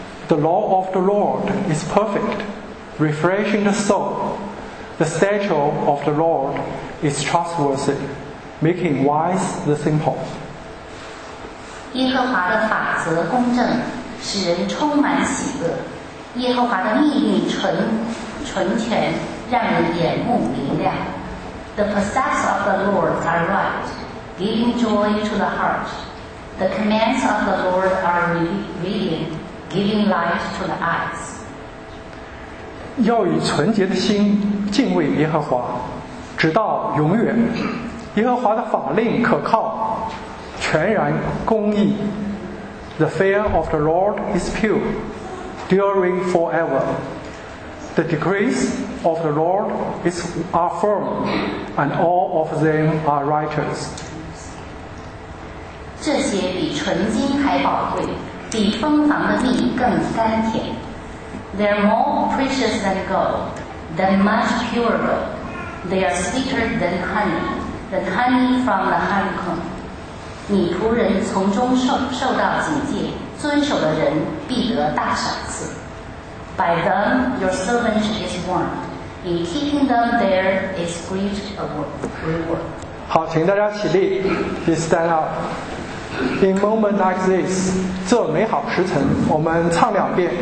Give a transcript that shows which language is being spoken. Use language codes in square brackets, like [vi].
[en] The law of the Lord is perfect, refreshing the soul. The statute of the Lord is trustworthy, making wise the simple. [zh] 耶和华的法则公正，使人充满喜乐。耶和华的命令纯全，让人眼目明亮。 [en] The precepts of the Lord are right, giving joy to the heart. The commands of the Lord are revealing, giving light to the eyes. [zh] 要以纯洁的心敬畏耶和华，直到永远。耶和华的法令可靠，全然公义。 [en] The fear of the Lord is pure. During forever, the decrees of the Lord are firm, and all of them are righteous. [zh] 这些比纯金还宝贵，比蜂房的蜜更甘甜。 [en] They are more precious than gold, than much pure gold. They are sweeter than honey, the honey from the honeycomb. [zh] 你仆人从中受到警戒，遵守的人必得大赏赐。 [en] By them your servant is warned. In keeping them there is great reward. [zh] 好，请大家起立。 [en] Please stand up. In moment like this, [zh] 这美好时辰，我们唱两遍。